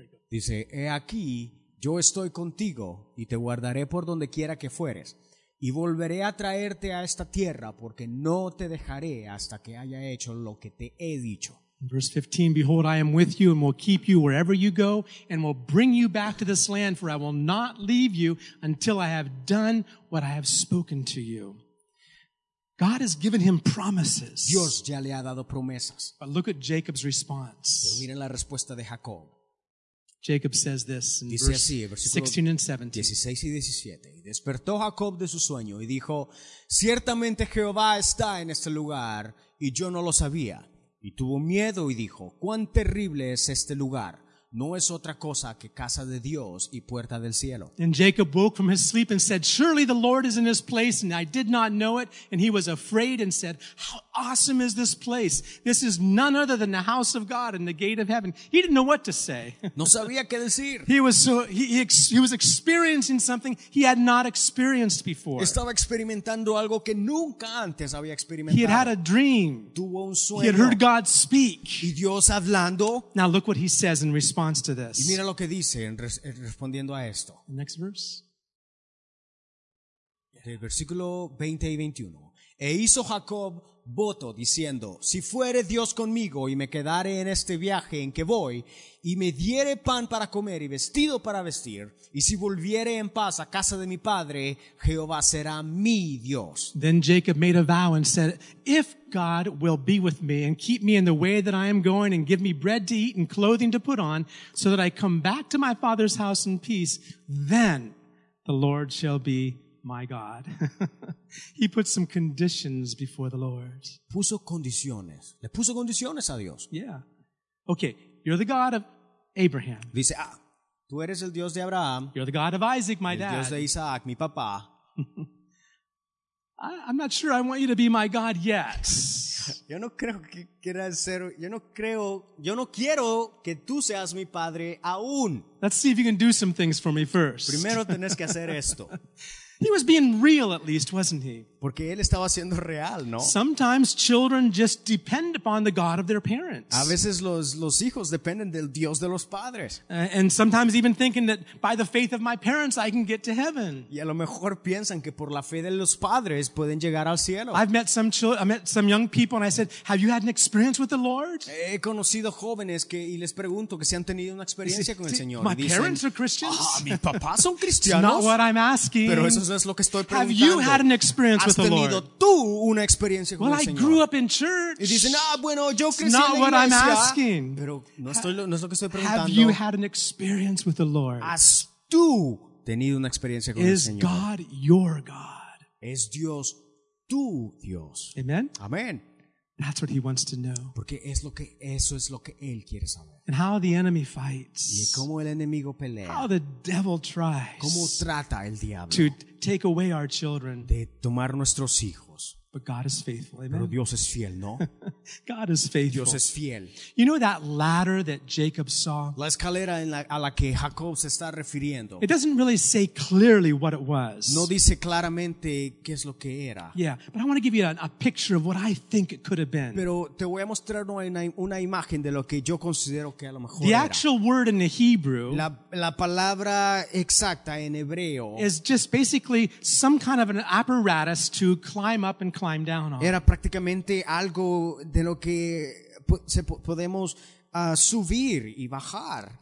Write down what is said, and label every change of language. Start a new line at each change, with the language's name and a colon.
Spanish: Dice, he aquí, yo estoy contigo y te guardaré por donde quiera que fueres y volveré a traerte a esta tierra porque no te dejaré hasta que haya hecho lo que te he dicho.
English: Verse 15, behold, I am with you and will keep you wherever you go and will bring you back to this land, for I will not leave you until I have done what I have spoken to you. God has given him promises.
Spanish: Dios ya le ha dado promesas.
English: But look at Jacob's response.
Spanish: Pero miren la respuesta de Jacob.
English: Jacob says this in
Spanish: dice
English: verse 16 and 17.
Spanish: 16 y 17. Y despertó Jacob de su sueño y dijo, ciertamente Jehová está en este lugar y yo no lo sabía. Y tuvo miedo y dijo, cuán terrible es este lugar. No es otra cosa que casa de Dios y puerta del cielo.
English: And Jacob woke from his sleep and said, surely the Lord is in this place, and I did not know it. And he was afraid and said, how awesome is this place? This is none other than the house of God and the gate of heaven. He didn't know what to say.
Spanish: No sabía qué decir.
English: He was experiencing something he had not experienced before.
Spanish: Estaba experimentando algo que nunca antes había experimentado.
English: He had had a dream.
Spanish: Tuvo un sueño.
English: He had heard God speak.
Spanish: Y Dios hablando.
English: Now look what he says in response. To this.
Spanish: Y mira lo que dice respondiendo a esto.
English: Next verse.
Spanish: Yeah. El versículo 20 y 21. E hizo Jacob voto diciendo, si fuere Dios conmigo y me quedare en este viaje en que voy, y me diere pan para comer y vestido para vestir, y si volviere en paz a casa de mi padre, Jehová será mi Dios.
English: Then Jacob made a vow and said, if God will be with me and keep me in the way that I am going and give me bread to eat and clothing to put on, so that I come back to my father's house in peace, then the Lord shall be my God. He put some conditions before the Lord.
Spanish: Puso condiciones. Le puso condiciones a Dios.
English: Yeah. Okay, you're the God of Abraham.
Spanish: Dice, ah, tú eres el Dios de Abraham.
English: You're the God of Isaac, my dad.
Spanish: El Dios de Isaac, mi papá.
English: I'm not sure I want you to be my God yet.
Spanish: Yo no creo que quieras ser, yo no quiero que tú seas mi padre aún.
English: Let's see if you can do some things for me first.
Spanish: Primero tenés que hacer esto.
English: He was being real, at least, wasn't he?
Spanish: Porque él estaba siendo real, ¿no?
English: Sometimes children just depend upon the God of their parents.
Spanish: A veces los hijos dependen del Dios de los padres.
English: And sometimes even thinking that by the faith of my parents I can get to heaven.
Spanish: Y a lo mejor piensan que por la fe de los padres pueden llegar al cielo.
English: I've met some young people and I said, "Have you had an experience with the Lord?"
Spanish: He conocido jóvenes que y les pregunto que si han tenido una experiencia con el Señor.
English: My parents are Christians.
Spanish: Ah, mis papás son cristianos.
English: Not what I'm asking.
Spanish: Pero eso es lo que estoy preguntando.
English: Have you had an experience?
Spanish: ¿Has tenido tú una experiencia con
English: well,
Spanish: el Señor?
English: I grew up in church.
Spanish: Y dicen, ah, bueno, yo crecí
English: not
Spanish: en la iglesia.
English: What I'm asking.
Spanish: Pero no es lo que estoy preguntando.
English: Have you had an experience with the Lord?
Spanish: ¿Has tú tenido una experiencia con
English: Is
Spanish: el Señor?
English: Is God your God?
Spanish: ¿Es Dios tu Dios?
English: Amen.
Spanish: Amen.
English: That's what he wants to know.
Spanish: Porque es lo que, eso es lo que él quiere saber.
English: And how the enemy fights.
Spanish: Y cómo el enemigo pelea.
English: How the devil tries.
Spanish: Cómo trata el diablo.
English: To take away our children.
Spanish: De tomar nuestros hijos.
English: But God is faithful. Amen.
Spanish: Pero Dios es fiel, ¿no?
English: God is faithful.
Spanish: Dios es fiel.
English: You know that ladder that Jacob saw?
Spanish: La escalera en la, a la que Jacob se está refiriendo.
English: It doesn't really say clearly what it was.
Spanish: No dice claramente qué es lo que era.
English: Yeah, but I want to give you a picture of what I think it could have been.
Spanish: Pero te voy a mostrar una imagen de lo que yo considero que a lo mejor
English: the
Spanish: era.
English: The actual word in the Hebrew.
Spanish: La palabra exacta en hebreo.
English: Is just basically some kind of an apparatus to climb up and climb down on.
Spanish: Era prácticamente algo de lo que podemos subir y bajar.